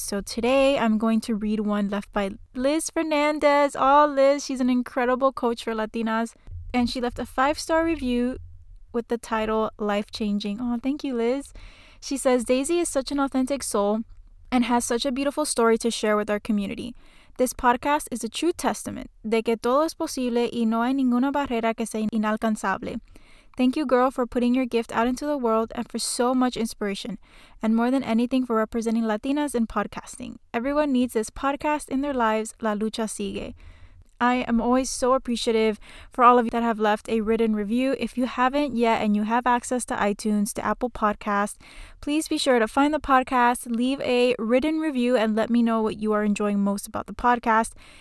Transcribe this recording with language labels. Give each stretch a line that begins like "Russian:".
English: So today I'm going to read one left by Liz Fernandez. Oh, Liz, she's an incredible coach for Latinas. And she left a 5-star review with the title Life Changing. Oh, thank you, Liz. She says, Daisy is such an authentic soul and has such a beautiful story to share with our community. This podcast is a true testament
Spanish: de que todo es posible y no hay ninguna barrera que sea inalcanzable.
English: Thank you, girl, for putting your gift out into the world and for so much inspiration, and more than anything, for representing Latinas in podcasting. Everyone needs this podcast in their lives.
Spanish: La lucha sigue.
English: I am always so appreciative for all of you that have left a written review. If you haven't yet and you have access to iTunes, to Apple Podcasts, please be sure to find the podcast, leave a written review, and let me know what you are enjoying most about the podcast.